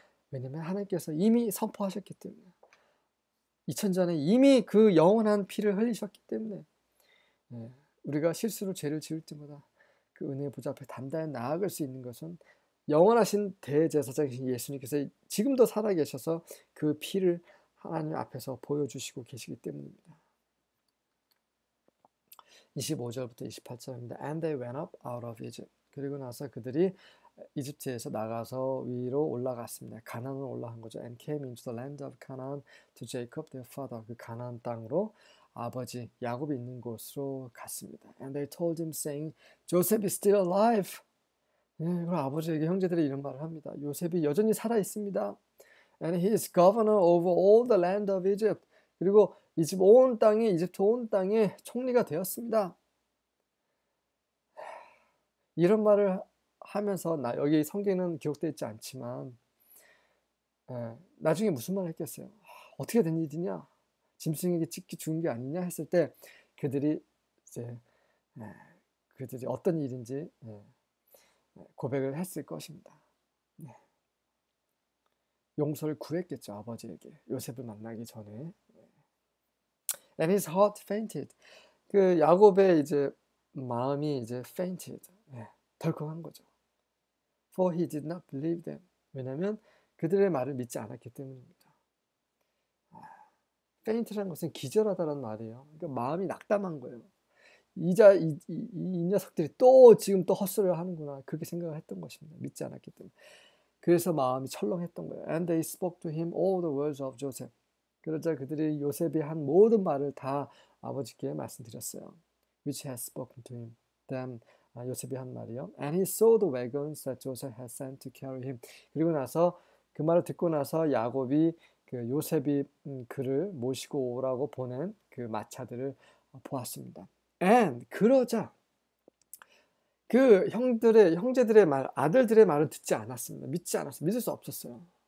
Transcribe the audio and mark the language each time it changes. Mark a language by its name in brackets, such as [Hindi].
[Korean] 왜냐하면 하나님께서 이미 선포하셨기 때문에 2000년 전에 이미 그 영원한 피를 흘리셨기 때문에 우리가 실수로 죄를 지을 때마다 그 은혜의 보좌 앞에 단단히 나아갈 수 있는 것은 영원하신 대제사장이신 예수님께서 지금도 살아계셔서 그 피를 하나님 앞에서 보여주시고 계시기 때문입니다. 25절부터 28절입니다. [English] And they went up out of Egypt. [Korean] 그리고 나서 그들이 이집트에서 나가서 위로 올라갔습니다. 가나안으로 올라간 거죠. [English] And came into the land of Canaan to Jacob their father. [Korean] 그 가나안 땅으로 아버지 야곱이 있는 곳으로 갔습니다. [English] And they told him saying, Joseph is still alive. [Korean] 네, 그리고 아버지에게 형제들이 이런 말을 합니다. 요셉이 여전히 살아 있습니다. [English] And he is governor over all the land of Egypt. [Korean] 그리고 이집트 온 땅에 총리가 되었습니다. 이런 말을 하면서 나 여기 성경에는 기록되어 있지 않지만 나중에 무슨 말을 했겠어요? 어떻게 된 일이냐? 짐승에게 찍기 죽은 게 아니냐 했을 때 그들이 이제 그들이 어떤 일인지 고백을 했을 것입니다. 용서를 구했겠죠, 아버지에게. 요셉을 만나기 전에. [English] And his heart fainted. [Korean] 그 야곱의 이제 마음이 이제 fainted. 덜컹한 거죠. [English] For he did not believe them. [Korean] 왜냐면 그들의 말을 믿지 않았기 때문입니다. Faint라는 것은 기절하다는 말이에요. 그러니까 마음이 낙담한 거예요. 이 녀석들이 또 지금 또 헛소리를 하는구나. 그렇게 생각을 했던 것입니다. 믿지 않았기 때문에. 그래서 마음이 철렁했던 거예요. [English] And they spoke to him all the words of Joseph. [Korean] 그러자 그들이 요셉이 한 모든 말을 다 아버지께 말씀드렸어요. [English] Which has spoken to him. Then [Korean] 요셉이 한 말이요. [English] And he saw the wagons that Joseph had sent to carry him. [Korean] 그리고 나서 그 말을 듣고 나서 야곱이 그 요셉이 그를 모시고 오라고 보낸 그 마차들을 보았습니다. And 그러자 그 형제들의 말, 아들들의 말은 듣지 않았습니다. 믿지 않았어요. 믿을 수 없었어요.